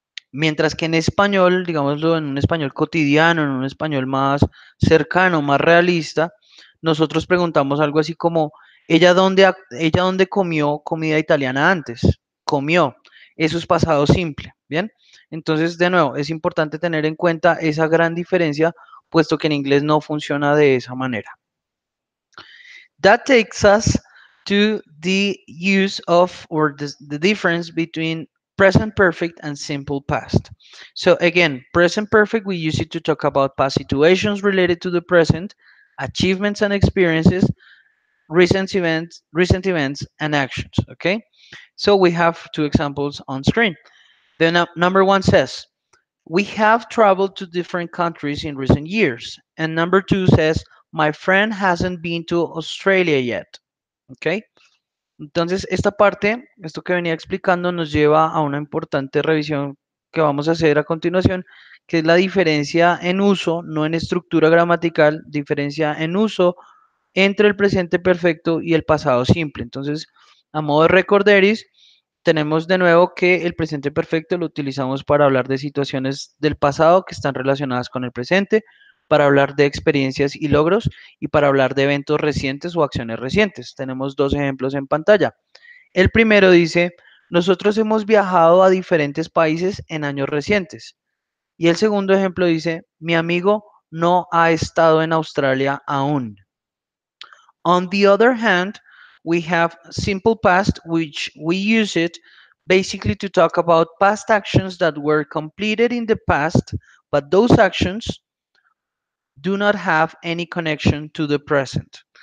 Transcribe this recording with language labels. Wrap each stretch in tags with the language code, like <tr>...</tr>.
<es>Mientras que en español, digámoslo en un español cotidiano, en un español más cercano, más realista, nosotros preguntamos algo así como, ¿ella dónde comió comida italiana antes? Comió. Eso es pasado simple, ¿bien? Entonces, de nuevo, es importante tener en cuenta esa gran diferencia, puesto que en inglés no funciona de esa manera.</es> <en>That takes us to the use of or the difference between present perfect and simple past. So again, present perfect, we use it to talk about past situations related to the present, achievements and experiences, recent events and actions. Okay? So we have two examples on screen. Then number one says, we have traveled to different countries in recent years. And number two says, my friend hasn't been to Australia yet. Okay?</en> <es>Entonces, esta parte, esto que venía explicando, nos lleva a una importante revisión que vamos a hacer a continuación, que es la diferencia en uso, no en estructura gramatical, diferencia en uso entre el presente perfecto y el pasado simple. Entonces, a modo de recorderis, tenemos de nuevo que el presente perfecto lo utilizamos para hablar de situaciones del pasado que están relacionadas con el presente, para hablar de experiencias y logros y para hablar de eventos recientes o acciones recientes. Tenemos dos ejemplos en pantalla. El primero dice, nosotros hemos viajado a diferentes países en años recientes. Y el segundo ejemplo dice, mi amigo no ha estado en Australia aún.</es> <en>On the other hand, we have simple past, which we use it basically to talk about past actions that were completed in the past, but those actions do not have any connection to the present.</en>